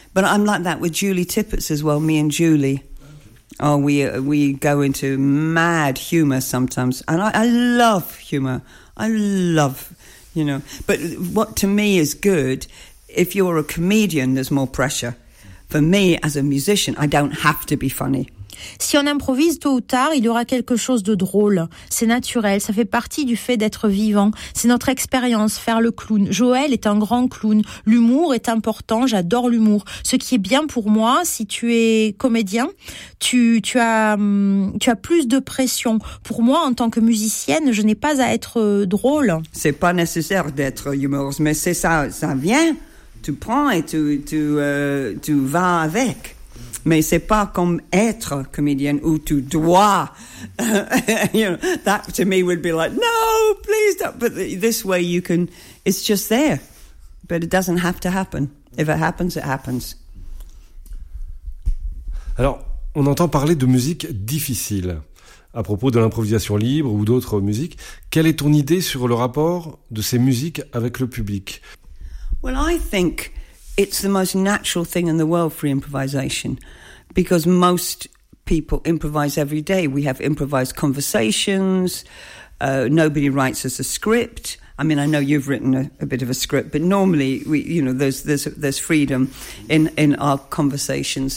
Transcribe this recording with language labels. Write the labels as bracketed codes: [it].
[en] But I'm like that with Julie Tippetts as well. Me and Julie, oh, we go into mad humour sometimes, and I love humour. I love, you know. But what to me is good, if you're a comedian, there's more pressure. For me, as a musician, I don't have to be funny. [fr] Si on improvise tôt ou tard, il y aura quelque chose de drôle. C'est naturel, ça fait partie du fait d'être vivant. C'est notre expérience, faire le clown. Joël est un grand clown. L'humour est important, j'adore l'humour. Ce qui est bien pour moi, si tu es comédien, tu as plus de pression. Pour moi, en tant que musicienne, je n'ai pas à être drôle. C'est pas nécessaire d'être humoriste, mais c'est ça, ça vient. Tu prends et tu vas avec. Mais c'est pas comme être comédienne où tu dois. [en] You know, that to me would be like, no, please don't. But this way you can, it's just there. But it doesn't have to happen. If it happens, it happens. [fr] Alors, on entend parler de musique difficile à propos de l'improvisation libre ou d'autres musiques. Quelle est ton idée sur le rapport de ces musiques avec le public? [en] Well, I think it's the most natural thing in the world for improvisation, because most people improvise every day. We have improvised conversations. Nobody writes us a script. I mean, I know you've written a bit of a script, but normally, there's freedom in our conversations.